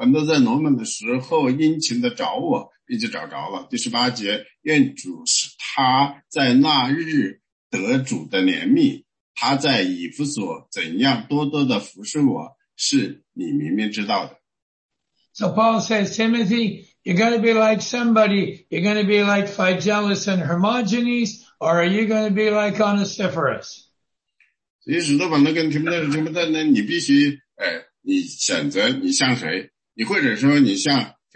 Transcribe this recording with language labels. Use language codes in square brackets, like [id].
[zh] 第16节说，愿主怜悯阿尼瑟弗一家的人，因他屡次使我畅快，不以我的所恋为耻。第17节，很多在罗马的时候殷勤地找我。一直找着了。第18节，愿主使他在那日得主的怜悯。他在以弗所怎样多多的服侍我，是你明明知道的。 [en] So Paul says, Timothy, you're going to be like somebody. You're going to be like Phygellus and Hermogenes, or are you going to be like Onesiphorus? [zh] 所以使徒保罗跟提摩太说，你必须，你选择你像谁，你或者说你像。